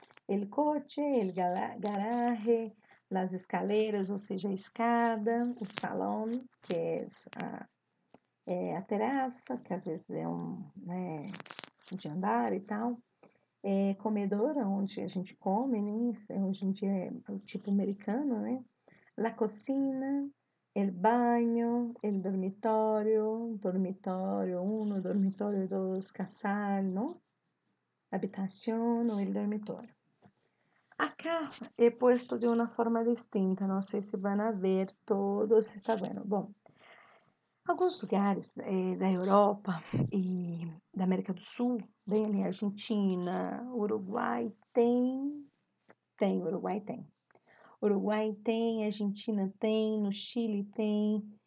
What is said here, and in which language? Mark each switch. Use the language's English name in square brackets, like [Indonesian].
[Spanish] El coche, el garaje, las escaleras, [Portuguese] ou seja, a escada, o salão, que é a terraça, que às vezes é um, né, de andar e tal. É comedora, onde a gente come, né? Hoje em dia é o tipo americano, né? [Spanish] La cocina, el baño, el dormitorio, dormitorio 1, dormitorio 2, casal, ¿no? Habitación o el dormitorio. Acá he puesto de una forma distinta, no sé si van a ver todo, si está bueno. [Portuguese] Bom, alguns lugares da Europa e da América do Sul, bem ali, Argentina, Uruguai tem, Uruguai tem. Uruguai tem, Argentina tem, no Chile tem.